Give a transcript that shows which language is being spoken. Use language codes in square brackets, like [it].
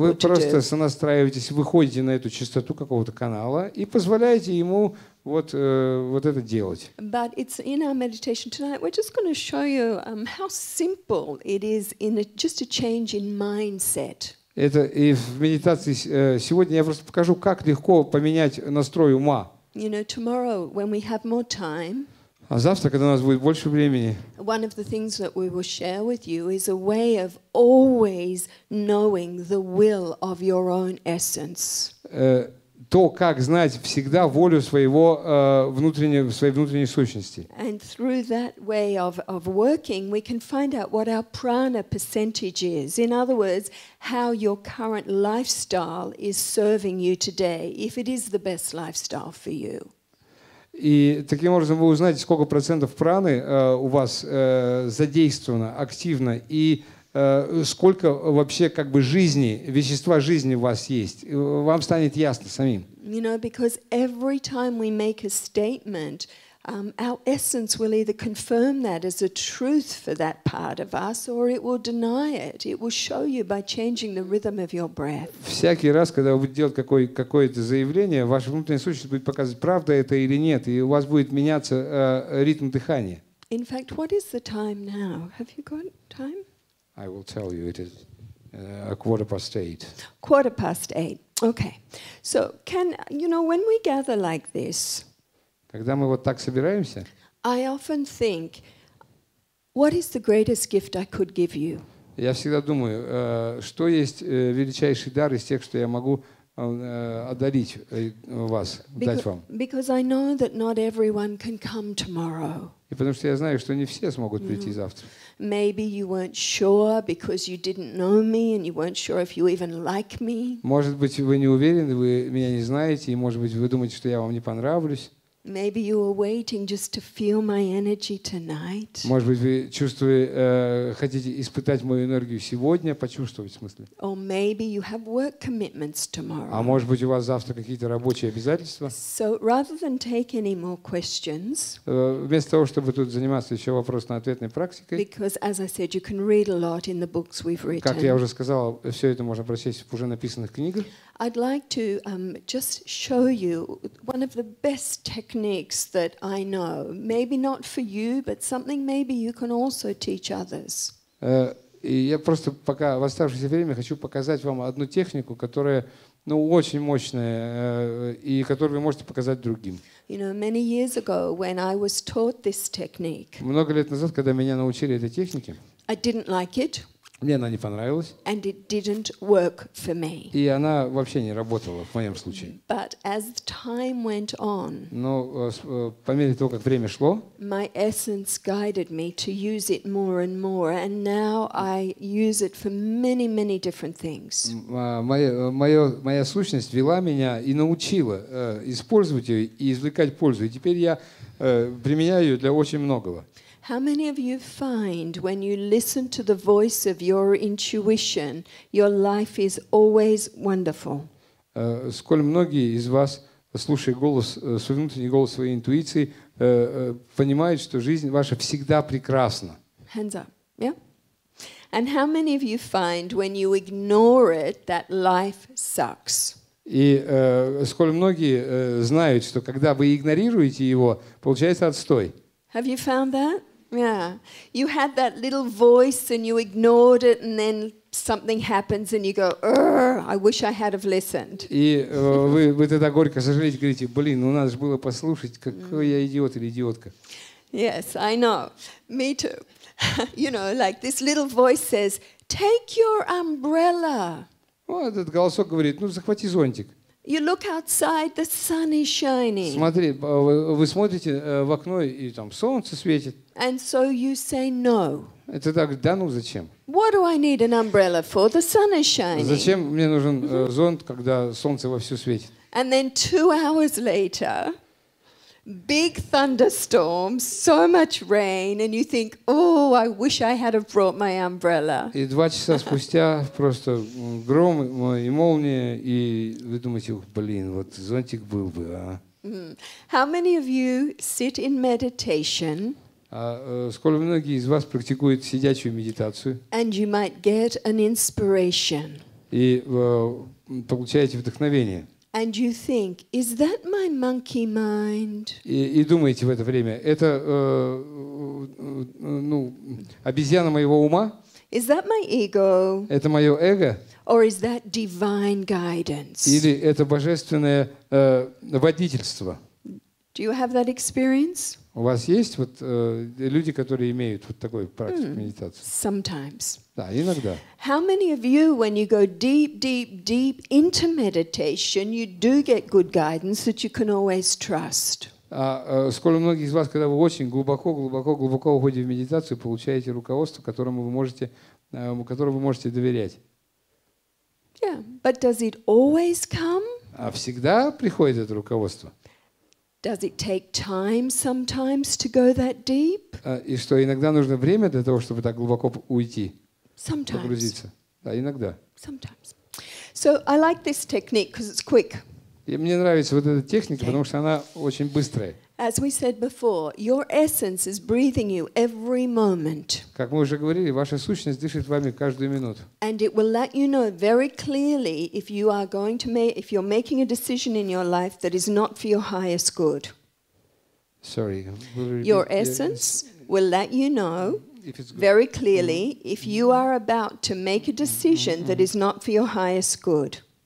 [ru] Вы просто сонастраиваетесь, выходите на эту частоту какого-то канала и позволяете ему вот вот это делать. [en] But it's in our meditation tonight. We're just going to show you how simple it is in just a change in mindset. [ru] Это и в медитации сегодня я просто покажу, как легко поменять настрой ума. [en] You know, tomorrow when we have more time. [ru] А завтра, когда у нас будет больше времени. [en] One of the things that we will share with you is a way of always knowing the will of your own essence. [ru] То, как знать всегда волю своего своей внутренней сущности. [en] And through that way of working, we can find out what our prana percentage is. In other words, how your current lifestyle is serving you today, if it is the best lifestyle for you. [ru] И таким образом вы узнаете, сколько процентов праны у вас задействовано активно и сколько вообще как бы жизни, вещества жизни у вас есть. Вам станет ясно самим. [en] You know, because every time we make a statement, our essence will either confirm that as a truth for that part of us, or it will deny it. It will show you by changing the rhythm of your breath. [ru] Всякий раз, когда вы будете делать какое-то заявление, ваша внутренняя сущность будет показывать, правда это или нет, и у вас будет меняться ритм дыхания. [en] In fact, what is the time now? Have you got time? I will tell you, it is a 8:15. 8:15. Okay. So, can you know, when we gather like this, [ru] когда мы вот так собираемся, [en] I often think, what is the greatest gift I could give you? [ru] Я всегда думаю, что есть величайший дар из тех, что я могу одарить вас, дать вам. [en] Because I know that not everyone can come tomorrow. [ru] И потому что я знаю, что не все смогут прийти завтра. [en] Maybe you weren't sure because you didn't know me and you weren't sure if you even like me. [ru] Может быть, вы не уверены, вы меня не знаете, и может быть, вы думаете, что я вам не понравлюсь. [en] Maybe you were waiting just to feel my energy tonight. [ru] Может быть, вы чувствуете, хотите испытать мою энергию сегодня, почувствовать, в смысле? [en] Or maybe you have work commitments tomorrow. [ru] А может быть, у вас завтра какие-то рабочие обязательства? [en] So rather than take any more questions. [ru] Вместо того, чтобы тут заниматься еще вопросно-ответной практикой. [en] Because as I said, you can read a lot in the books we've written. [ru] Как я уже сказал, все это можно прочесть в уже написанных книгах. [en] I'd like to just show you one of the best techniques that I know. Maybe not for you, but something maybe you can also teach others. [ru] И я просто пока в оставшееся время хочу показать вам одну технику, которая ну, очень мощное, и которое вы можете показать другим. [en] You know, many years ago, when I was taught this technique, [ru] много лет назад, когда меня научили этой технике, [en] I didn't like it, [ru] мне она не понравилась, [en] and it didn't work for me. [ru] И она вообще не работала в моем случае. [en] But as time went on, [ru] но по мере того, как время шло, [en] my essence guided me to use it more and more, and now I use it for many, many different things. [ru] Моя сущность вела меня и научила использовать ее и извлекать пользу, и теперь я применяю ее для очень многого. [en] How many of you find when you listen to the voice of your intuition, your life is always wonderful? [ru] Сколь многие из вас, слушая голос, свой внутренний голос своей интуиции, понимают, что жизнь ваша всегда прекрасна? [en] Hands up. Yeah. And how many of you find when you ignore it that life sucks? [ru] И сколь многие знают, что когда вы игнорируете его, получается отстой? [en] Have you found that? Yeah. You had that little voice and you ignored it and then something happens and you go, I wish I had have listened. [ru] И вы тогда горько сожалеете, говорите: "Блин, ну надо же было послушать, какой я идиот или идиотка". [en] Yes, I know. Me too. You know, like this little voice says, "Take your umbrella". [ru] Вот этот голосок говорит: "Ну захвати зонтик". [en] You look outside, the sun is shining. [ru] Смотри, вы смотрите в окно и там солнце светит. [en] And so you say no. [ru] Это так, да ну зачем? [en] What do I need an umbrella for? The sun is shining. [ru] Зачем мне нужен зонт, когда солнце вовсю светит? [en] And then 2 hours later, big thunderstorm, so much rain, and you think, oh, I wish I had have brought my umbrella. [ru] И 2 часа спустя просто гром и молния, и вы думаете, блин, вот зонтик был бы, а? [en] How many of you sit in meditation? [ru] Сколько многие из вас практикуют сидячую медитацию? [en] And you might get an inspiration. [ru] И получаете вдохновение. [en] And you think, is that my monkey mind? [ru] И думаете в это время, это ну обезьяна моего ума? [en] Is that my ego? [ru] Это мое эго? [en] Or is that divine guidance? [ru] Или это божественное водительство? [en] Do you have that experience? [ru] У вас есть вот люди, которые имеют вот такой практик медитации? [en] Sometimes. [ru] Да, иногда. [en] How many of you, when you go deep, deep, deep into meditation, you do get good guidance that you can always trust? [ru] Сколько многих из вас, когда вы очень глубоко, глубоко, глубоко уходите в медитацию, получаете руководство, которому вы можете доверять? [en] Yeah, but does it always come? [ru] А всегда приходит это руководство? [en] Does it take time sometimes to go that deep? [ru] И что иногда нужно время для того, чтобы так глубоко уйти? [en] Sometimes. [ru] Погрузиться. Да, иногда. [en] Sometimes. So I like this technique because it's quick. [ru] И мне нравится вот эта техника, okay. Потому что она очень быстрая. [en] As we said before, your essence is breathing you every moment. [ru] Как мы уже говорили, ваша сущность дышит вами каждую минуту. [en] And it will let you know very clearly if you are going to make, if you're making a decision in your life that is not for your highest good. Sorry. Your essence will let you know very clearly if you are about to make a decision that is not for your highest good.